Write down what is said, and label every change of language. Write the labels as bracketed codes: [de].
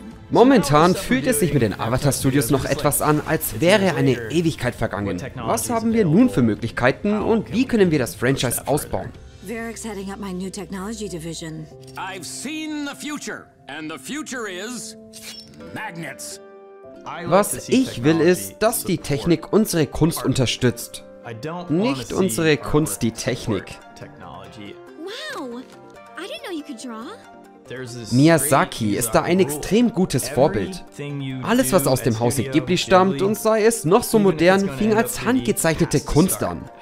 [de] Momentan fühlt es sich mit den Avatar Studios noch etwas an, als wäre eine Ewigkeit vergangen. Was haben wir nun für Möglichkeiten und wie können wir das Franchise ausbauen? [en] Varric's heading up my new technology division. I've seen the future, and the future is magnets. [de] Was ich will, ist, dass die Technik unsere Kunst unterstützt. Nicht unsere Kunst, die Technik. [en] Wow, I didn't know you could draw. [de] Miyazaki ist da ein extrem gutes Vorbild. Alles, was aus dem Hause Ghibli stammt und sei es noch so modern, fing als handgezeichnete Kunst an.